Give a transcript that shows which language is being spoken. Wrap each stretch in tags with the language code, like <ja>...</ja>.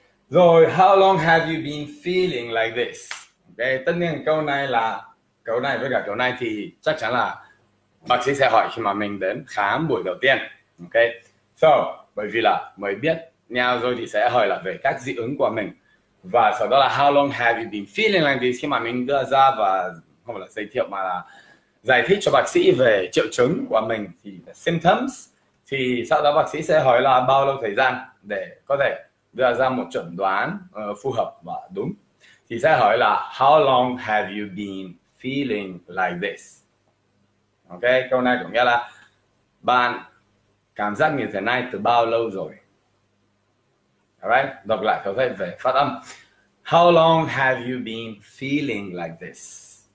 <vi>Rồi,</vi> <en>how long have you been feeling like this? Okay.</en> <vi>Tất nhiên câu này là câu này với cả câu này thì chắc chắn là bác sĩ sẽ hỏi khi mà mình đến khám buổi đầu tiên. Okay. So, bởi vì là mới biết nhau rồi thì sẽ hỏi là về các dị ứng của mình. Và sau đó là</vi> <en>how long have you been feeling like this?</en> <vi>Khi mà mình đưa ra và không phải là giới thiệu mà là giải thích cho bác sĩ về triệu chứng của mình thì symptoms, thì sau đó bác sĩ sẽ hỏi là bao lâu thời gian để có thể đưa ra một chẩn đoán phù hợp và đúng, thì sẽ hỏi là</vi> <en>how long have you been feeling like this.</en> <vi>Ok, câu này có nghĩa là bạn cảm giác như thế này từ bao lâu rồi.</vi> <en>Alright,</en> <vi>đọc lại câu thế về phát âm.</vi> <en>How long have you been feeling like this?</en>